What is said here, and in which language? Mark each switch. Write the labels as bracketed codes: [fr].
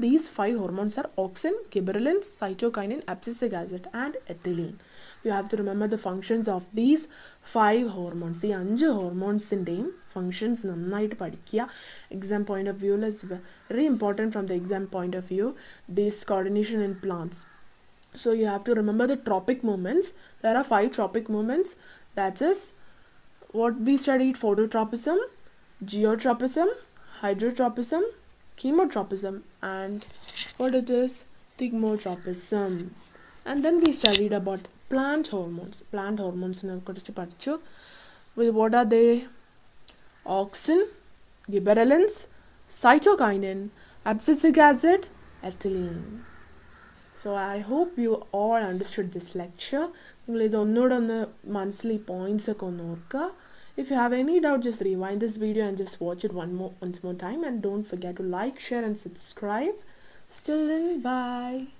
[en] These 5 hormones are auxin, gibberellins, cytokinin, abscisic acid and ethylene. You have to remember the functions of these 5 hormones. [ml] ഈ 5 ഹോർമോൺസിൻ്റെയും functions നന്നായിട്ട് പഠിക്കുക. [en] Exam point of view is very important from the exam point of view, these coordination in plants. So you have to remember the tropic movements. There are 5 tropic movements. That is what we studied: phototropism, geotropism, hydrotropism, chemotropism, and what it is, thigmotropism. And then we studied about plant hormones. Plant hormones in our course. With what are they? Auxin, gibberellins, cytokinin, abscisic acid, ethylene. So I hope you all understood this lecture. [ml] നിങ്ങൾ ഇതൊന്നുകൂടെ ഒന്ന് മനസ്സിലി പോയിൻറ്റ്സൊക്കെ ഒന്ന് ഓർക്കുക. [en] If you have any doubt just rewind this video and just watch it once more time and don't forget to like, share and subscribe. Still then, bye.